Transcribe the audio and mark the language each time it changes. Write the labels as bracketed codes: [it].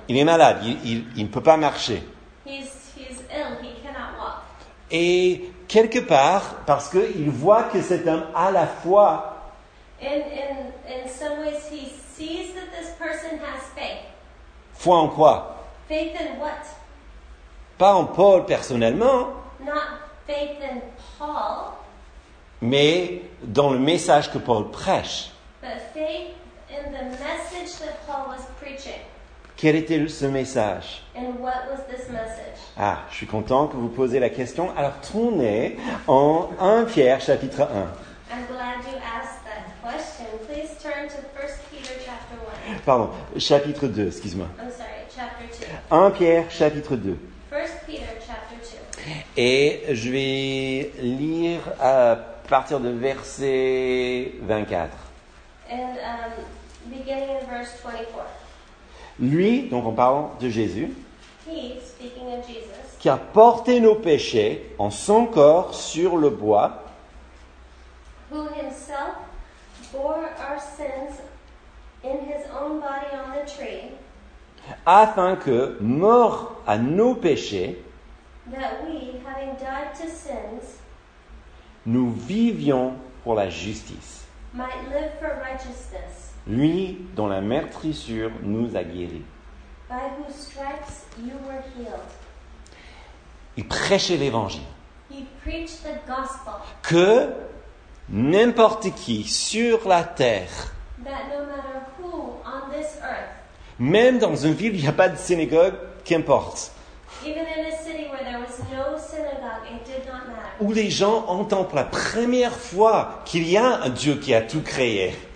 [fr] Il est malade, il ne peut pas marcher. [en] He's ill. He cannot walk. [fr] Et quelque part, parce qu'il voit que cet homme a la foi, [en] in some ways he sees that this person has faith. [fr] Foi en quoi? [en] Faith in what? [fr] Pas en Paul personnellement. [en] Not faith in Paul. [fr] Mais dans le message que Paul prêche. [en] But faith in the message that Paul was preaching. [fr] Quel était ce message? [en] And what was this message? [fr] Ah, je suis content que vous posiez la question. Alors, tournez en 1 Pierre chapitre 1. [en] I'm glad you asked that question. Please turn to 1 Peter chapter 1. [fr] Pardon, chapitre 2, excuse-moi. [en] I'm sorry, chapter [fr] 2. 1 Pierre chapitre 2. [en] 1 Peter chapter 2. [fr] Et je vais lire à partir de verset 24. [en] And beginning in verse 24. [fr] Lui, donc en parlant de Jésus, [en] he, speaking of Jesus, [fr] qui a porté nos péchés en son corps sur le bois, [en] who himself bore our sins in his own body on the tree, [fr] afin que, mort à nos péchés, [en] that we, having died to sins, [fr] nous vivions pour la justice. [en] Might live for righteousness. [fr] Lui, dont la meurtrissure nous a guéris. [en] By whose stripes you were healed. [fr] Il prêchait l'évangile. [en] He preached the gospel. [fr] Que n'importe qui sur la terre, [en] that no matter who on this earth, [fr] même dans une ville où il n'y a pas de synagogue, qu'importe. [en] Even in a city where there was no synagogue, it did not matter. [fr] Où les gens entendent pour la première fois qu'il y a un Dieu qui a tout créé.